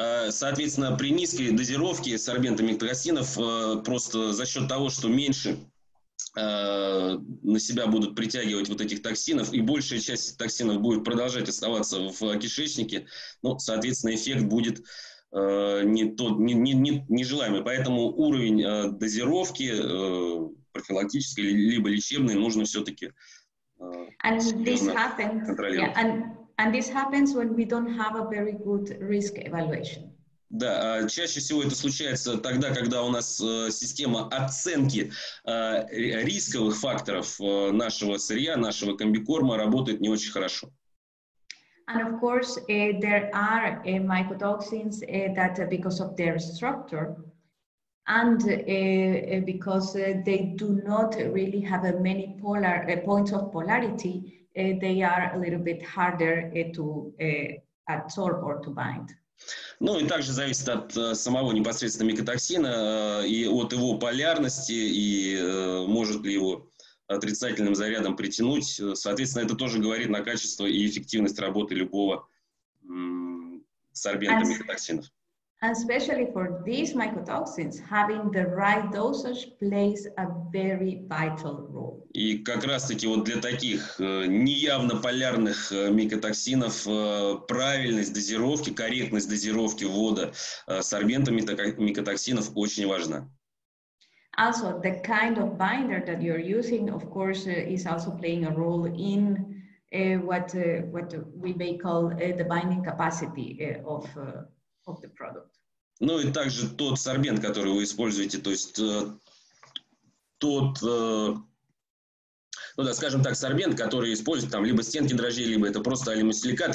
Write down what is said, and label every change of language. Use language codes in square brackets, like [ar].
[ru] Соответственно, при низкой дозировке сорбента микотоксинов просто за счет того, что меньше на себя будут притягивать вот этих токсинов, и большая часть токсинов будет продолжать оставаться в кишечнике, ну, соответственно, эффект будет нежелаемый. Поэтому уровень дозировки профилактической либо лечебной нужно все-таки контролировать. [en] And this happens when we don't have a very good risk evaluation. [ru] Да, чаще всего это случается тогда, когда у нас система оценки рисковых факторов нашего сырья, нашего комбикорма работает не очень хорошо. [en] And of course, there are mycotoxins that because of their structure and because they do not really have many polar points of polarity, they are a little bit harder to absorb or to bind. [ru] Ну и также зависит от самого непосредственно микотоксина и от его полярности, и может ли его отрицательным зарядом притянуть. Соответственно, это тоже говорит на качество и эффективность работы любого сорбента микотоксинов. [en] And especially for these mycotoxins, having the right dosage plays a very vital role. [ru] И как раз-таки вот для таких неявно полярных микотоксинов правильность дозировки, корректность дозировки ввода сорбента микотоксинов очень важна. [en] Also, the kind of binder that you're using, of course, is also playing a role in what we may call the binding capacity of the product. [ru] Ну и также тот сорбент, который вы используете, то есть тот ну да, скажем так, сорбент, который используют там либо стенки дрожжей, либо это просто алюмосиликат.